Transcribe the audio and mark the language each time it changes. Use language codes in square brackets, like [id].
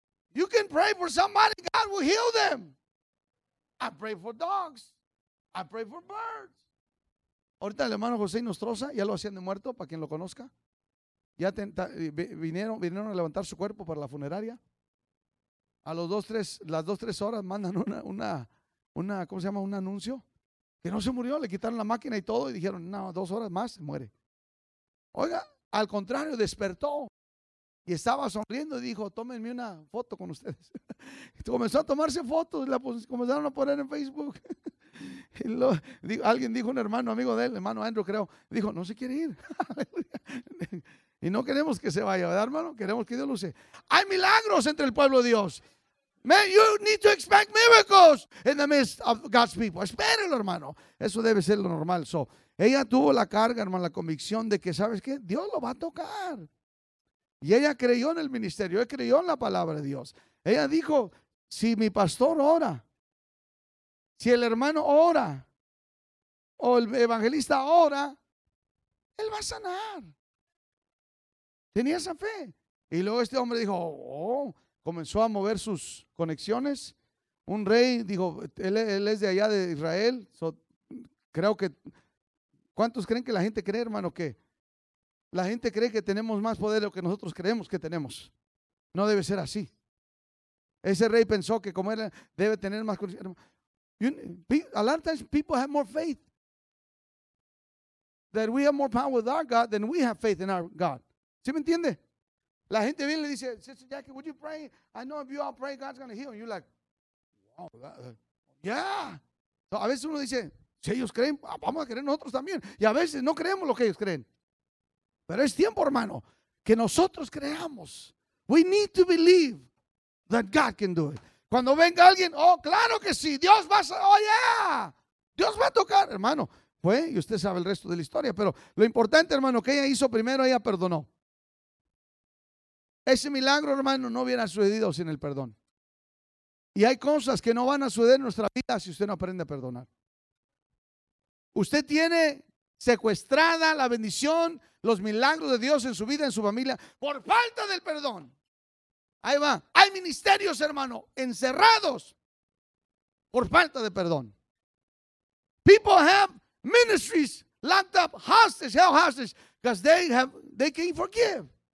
[en] You can pray for somebody, God will heal them. I pray for dogs. I pray for birds. [es] Ahorita el hermano José Nostroza, ya lo hacían de muerto, para quien lo conozca. Ya vinieron a levantar su cuerpo para la funeraria. A los las dos, tres horas mandan una, ¿cómo se llama? Un anuncio. Que no se murió, le quitaron la máquina y todo y dijeron, no, dos horas más, se muere. Oiga, al contrario, despertó. Y estaba sonriendo y dijo, tómenme una foto con ustedes. Y comenzó a tomarse fotos y comenzaron a poner en Facebook. Y alguien dijo, un hermano amigo de él, hermano Andrew creo, dijo, no se quiere ir. Y no queremos que se vaya, ¿verdad, hermano? Queremos que Dios luce. Hay milagros entre el pueblo de Dios. [en] Man, you need to expect miracles in the midst of God's people. [es] Espérenlo, hermano. Eso debe ser lo normal. So, ella tuvo la carga, hermano, la convicción de que, ¿sabes qué? Dios lo va a tocar. Y ella creyó en el ministerio, ella creyó en la palabra de Dios. Ella dijo, si mi pastor ora, si el hermano ora, o el evangelista ora, él va a sanar. Tenía esa fe. Y luego este hombre dijo, oh, comenzó a mover sus conexiones. Un rey dijo, él es de allá de Israel. So, creo que, ¿cuántos creen que la gente cree, hermano, que la gente cree que tenemos más poder de lo que nosotros creemos que tenemos? No debe ser así. Ese rey pensó que como él debe tener más conocimiento. [en] A lot of times people have more faith. That we have more power with our God than we have faith in our God. [es] ¿Sí me entiende? La gente viene y le dice, [en] Sister Jackie, would you pray? I know if you all pray, God's going to heal. And you're like, wow. Yeah. [es] So a veces uno dice, si ellos creen, vamos a creer nosotros también. Y a veces no creemos lo que ellos creen. Pero es tiempo, hermano, que nosotros creamos. [en] We need to believe that God can do it. [es] Cuando venga alguien, oh, claro que sí, Dios va a ser, oh, yeah. Dios va a tocar, hermano. Pues, y usted sabe el resto de la historia, pero lo importante, hermano, que ella hizo primero, ella perdonó. Ese milagro, hermano, no hubiera sucedido sin el perdón. Y hay cosas que no van a suceder en nuestra vida si usted no aprende a perdonar. Usted tiene secuestrada la bendición, los milagros de Dios en su vida, en su familia, por falta del perdón. Ahí va. Hay ministerios, hermano, encerrados por falta de perdón. [en] People have ministries locked up, hostage, held hostage, because they can't forgive.